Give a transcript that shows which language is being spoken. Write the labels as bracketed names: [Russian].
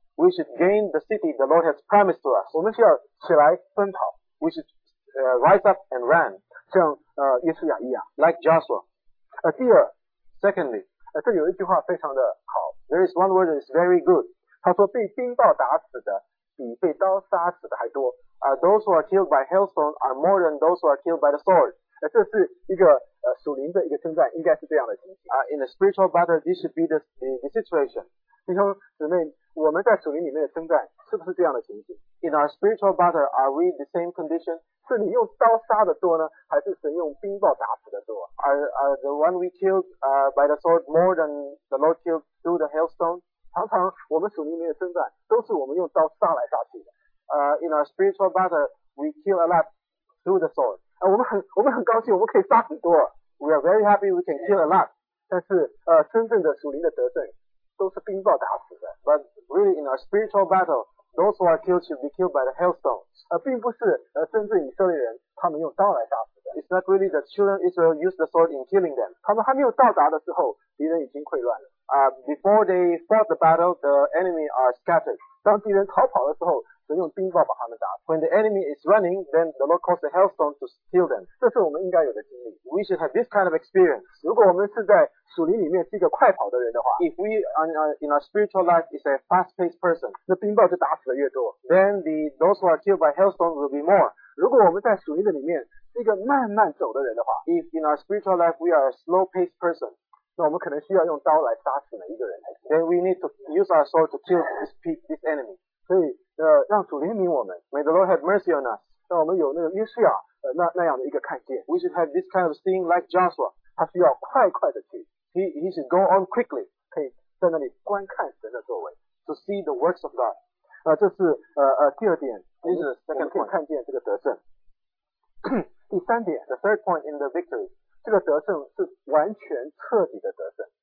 [English] We should gain the city the Lord has promised to us. [Chinese] 我们需要起来奔跑。 [English] We should rise up and run. [Chinese] 像约书亚一样。 [English] Like Joshua. [Chinese] 第二。 [English] Secondly. [Chinese] 这有一句话非常的好。 [English] There is one word that is very good. [Chinese] 他说被冰雹打死的比被刀杀死的还多。 [English] Those who are killed by hailstone are more than those who are killed by the sword. [Chinese] 这是一个属灵的一个征战，应该是这样的情形。 [English] In a spiritual battle, this should be the situation. [Chinese] 弟兄姊妹，我们在属灵里面的征战是不是这样的情形？ [English] In our spiritual battle, are we the same condition? [Chinese] 是你用刀杀的多呢，还是神用冰雹打死的多？ [English] Are the one we killed by the sword more than the Lord killed through the hailstone? [Chinese] 常常我们属灵里面的征战都是我们用刀杀来杀去的。 [English] In our spiritual battle, we kill a lot through the sword. [Chinese] 我们很高兴我们可以杀很多。 [English] We are very happy we can kill a lot. [Chinese] 但是真正的属灵的得胜都是冰雹打死的。 [English] But really in our spiritual battle, those who are killed should be killed by the hailstone. [Chinese] 并不是真正以色列人他们用刀来杀死的。 [English] It's not really the children of Israel used the sword in killing them. [Chinese] 他们还没有到达的时候敌人已经溃乱了。 [English] Before they fought the battle, the enemy are scattered. [Chinese] 当敌人逃跑的时候神用冰雹把他们打死。 [English] When the enemy is running, then the Lord calls the hailstone to kill them. [Chinese] 这是我们应该有的经历。 [English] We should have this kind of experience. [Chinese] 如果我们是在属灵里面是一个快跑的人的话， [English] If we in our spiritual life is a fast-paced person, [Chinese] 那冰雹就打死的越多。 [English] Then those who are killed by hailstone will be more. [Chinese] 如果我们在属灵的里面是一个慢慢走的人的话， [English] If in our spiritual life we are a slow-paced person, [Chinese] 那我们可能需要用刀来杀死每一个人才行。 [English] Then we need to use our sword to kill this enemy. [Chinese] 所以让主怜悯我们。 [English] May the Lord have mercy on us. [Chinese] 让我们有那个约书亚那样的一个看见。 [English] We should have this kind of seeing like Joshua. [Chinese] 他需要快快的去。 [English] He should go on quickly. [Chinese] 可以在那里观看神的作为。 [English] To see the works of God. [Chinese] 这是第二点。 [English] This is the second point. [Chinese] 我们可以看见这个得胜。第三点。 [English] The third point in the victory. [Chinese] 这个得胜是完全彻底的得胜。